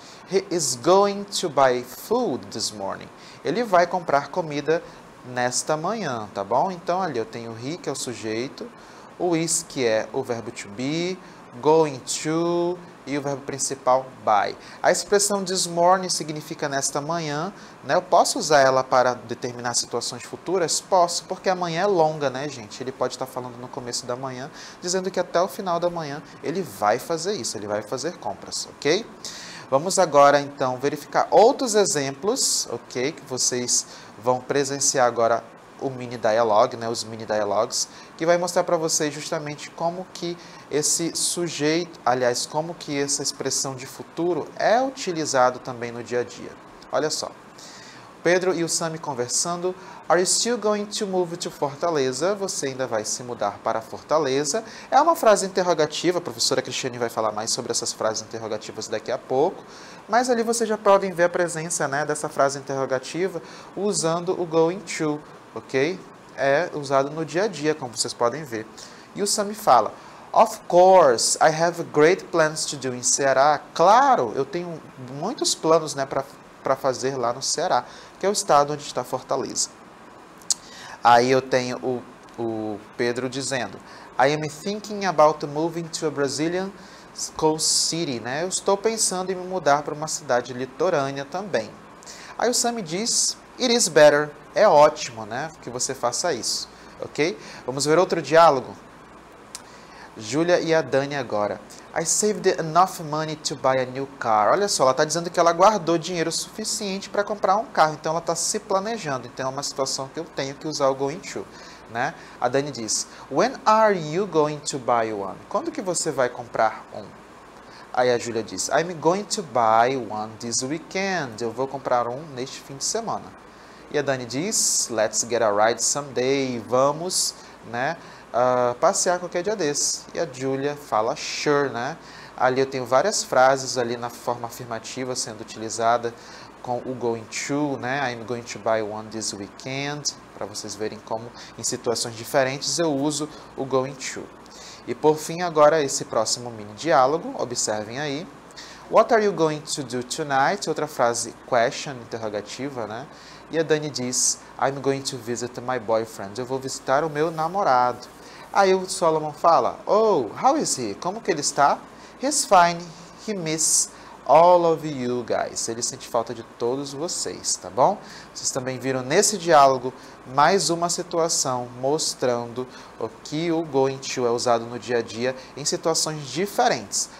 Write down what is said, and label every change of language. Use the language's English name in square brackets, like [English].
[English] He is going to buy food this morning. [Portuguese] Ele vai comprar comida nesta manhã, tá bom? Então, ali eu tenho he, que é o sujeito, o is, que é o verbo to be, going to e o verbo principal by. A expressão this morning significa nesta manhã, né? Eu posso usar ela para determinar situações futuras? Posso, porque amanhã é longa, né, gente? Ele pode estar falando no começo da manhã, dizendo que até o final da manhã ele vai fazer isso, ele vai fazer compras, ok? Vamos agora, então, verificar outros exemplos, ok? Que vocês vão presenciar agora o mini dialogue, né? Os mini dialogues, que vai mostrar para vocês justamente como que esse sujeito, aliás, como que essa expressão de futuro é utilizado também no dia a dia. Olha só. Pedro e o Sami conversando. [English] Are you still going to move to Fortaleza? [Portuguese] Você ainda vai se mudar para Fortaleza. É uma frase interrogativa. A professora Cristiane vai falar mais sobre essas frases interrogativas daqui a pouco. Mas ali vocês já podem ver a presença, né, dessa frase interrogativa usando o going to, ok? É usado no dia a dia, como vocês podem ver. E o Sami fala. [English] Of course, I have great plans to do in Ceará. [Portuguese] Claro, eu tenho muitos planos, né, para fazer lá no Ceará, que é o estado onde está Fortaleza. Aí eu tenho o Pedro dizendo, [English] I am thinking about moving to a Brazilian coast city, né? [Portuguese] Eu estou pensando em me mudar para uma cidade litorânea também. Aí o Sami diz, [English] it is better, [Portuguese] é ótimo, né, que você faça isso, ok? Vamos ver outro diálogo? Júlia e a Dani agora. [English] I saved enough money to buy a new car. [Portuguese] Olha só, ela está dizendo que ela guardou dinheiro suficiente para comprar um carro. Então, ela está se planejando. Então, é uma situação que eu tenho que usar o going to, né? A Dani diz, [English] when are you going to buy one? [Portuguese] Quando que você vai comprar um? Aí a Júlia diz, [English] I'm going to buy one this weekend. [Portuguese] Eu vou comprar um neste fim de semana. E a Dani diz, [English] let's get a ride someday. [Portuguese] Vamos, né? Passear qualquer dia desse. E a Julia fala sure, né? Ali eu tenho várias frases ali na forma afirmativa sendo utilizada com o going to, né? [English] I'm going to buy one this weekend, [Portuguese] para vocês verem como em situações diferentes eu uso o going to. E por fim, agora esse próximo mini diálogo, observem aí. [English] What are you going to do tonight? [Portuguese] Outra frase question, interrogativa, né? E a Dani diz, [English] I'm going to visit my boyfriend. [Portuguese] Eu vou visitar o meu namorado. Aí o Solomon fala, oh, [English] how is he? [Portuguese] Como que ele está? [English] He's fine. He misses all of you guys. [Portuguese] Ele sente falta de todos vocês, tá bom? Vocês também viram nesse diálogo mais uma situação mostrando o que o going to é usado no dia a dia em situações diferentes.